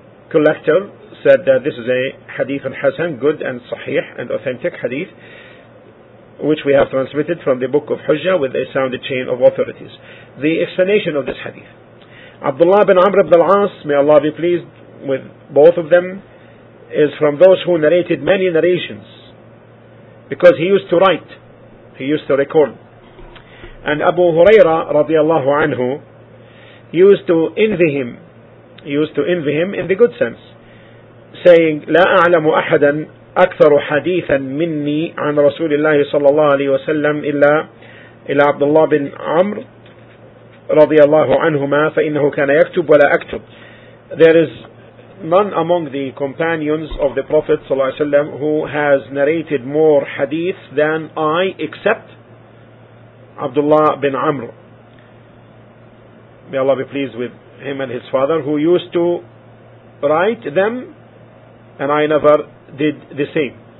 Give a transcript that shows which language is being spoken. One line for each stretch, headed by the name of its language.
English: Collector said that this is a hadith al-Hasan, good and sahih and authentic hadith, which we have transmitted from the book of Hujjah with a sound chain of authorities. The explanation of this hadith. Abdullah bin Amr ibn al-As, may Allah be pleased with both of them, is from those who narrated many narrations, because he used to write, he used to record. And Abu Hurairah radiallahu anhu used to envy him in the good sense, saying,
Arabic: لا أعلم أحدا أكثر حديثا مني عن رسول الله صلى الله عليه وسلم إلا عبد الله بن عمر رضي الله عنهما فإنه كان يكتب ولا أكتب.
English: There is none among the companions of the Prophet
Arabic: صلى الله عليه وسلم
English: who has narrated more hadith than I, except عبد الله بن عمر. May Allah be pleased with him and his father, who used to write them, and I never did the same.